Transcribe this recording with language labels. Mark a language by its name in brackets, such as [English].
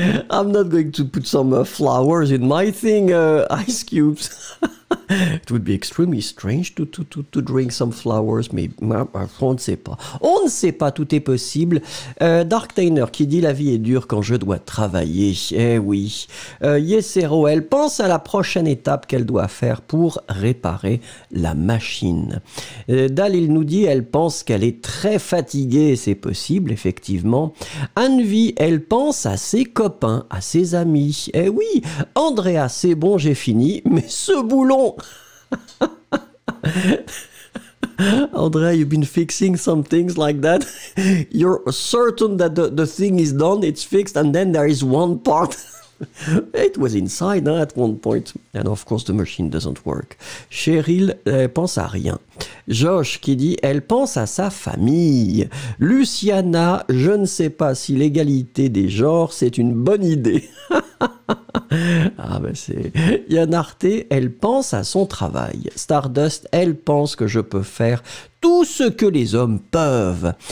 [English] I'm not going to put some flowers in my thing, ice cubes. It would be extremely strange to drink some flowers, [French] mais on ne sait pas. On ne sait pas, tout est possible. Dark Tainer qui dit « La vie est dure quand je dois travailler ». Eh oui. Yesero, elle pense à la prochaine étape qu'elle doit faire pour réparer la machine. Dalil nous dit « Elle pense qu'elle est très fatiguée ». C'est possible, effectivement. Anvi, elle pense à ses copains, à ses amis. Eh oui. Andrea, c'est bon, j'ai fini. Mais ce boulon. [English] André, you've been fixing some things like that. You're certain that the thing is done, it's fixed, and then there is one part. It was inside at one point. And of course, the machine doesn't work. [French] Cheryl pense à rien. Josh qui dit, elle pense à sa famille. Luciana, je ne sais pas si l'égalité des genres, c'est une bonne idée. Ah ben c'est... Yann Arte, elle pense à son travail. Stardust, elle pense que je peux faire tout ce que les hommes peuvent.